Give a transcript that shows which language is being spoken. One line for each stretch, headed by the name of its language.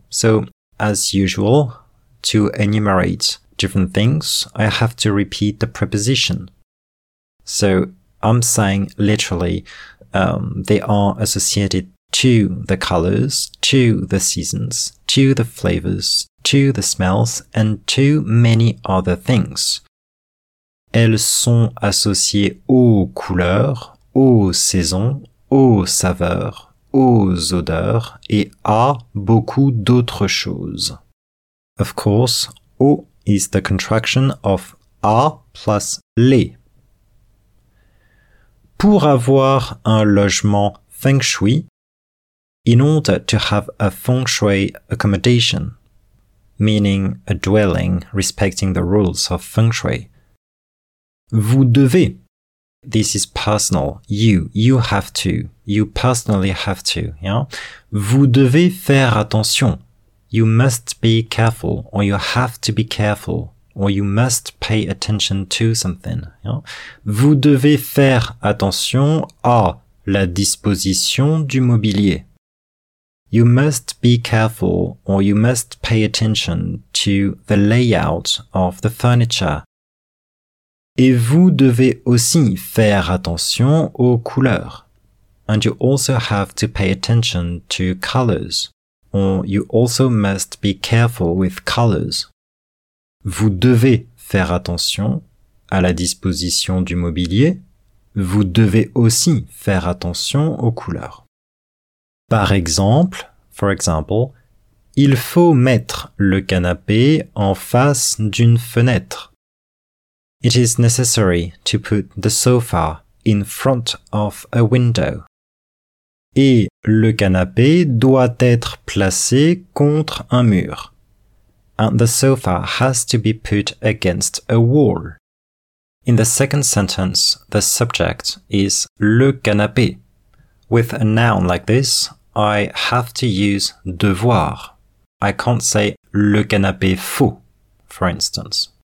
English: So, as usual, to enumerate different things, I have to repeat the preposition. So, I'm saying literally, they are associated to the colors, to the seasons, to the flavors, to the smells, and to many other things.
French: Elles sont associées aux couleurs, aux saisons, aux saveurs, aux odeurs, et à beaucoup d'autres choses.
English: Of course, O is the contraction of A plus les.
French: Pour avoir un logement feng shui,
English: in order to have a feng shui accommodation, meaning a dwelling respecting the rules of feng shui,
French: vous devez,
English: this is personal, you have to, you personally have to, yeah?
French: Vous devez faire attention,
English: you must be careful, or you have to be careful. Or you must pay attention to something. You know?
French: Vous devez faire attention à la disposition du mobilier.
English: You must be careful or you must pay attention to the layout of the furniture.
French: Et vous devez aussi faire attention aux couleurs.
English: And you also have to pay attention to colors. Or you also must be careful with colors.
French: Vous devez faire attention à la disposition du mobilier. Vous devez aussi faire attention aux couleurs. Par exemple,
English: for example,
French: il faut mettre le canapé en face d'une fenêtre.
English: It is necessary to put the sofa in front of a window.
French: Et le canapé doit être placé contre un mur.
English: And the sofa has to be put against a wall. In the second sentence, the subject is le canapé. With a noun like this, I have to use devoir. I can't say
French: le canapé faut,
English: for instance.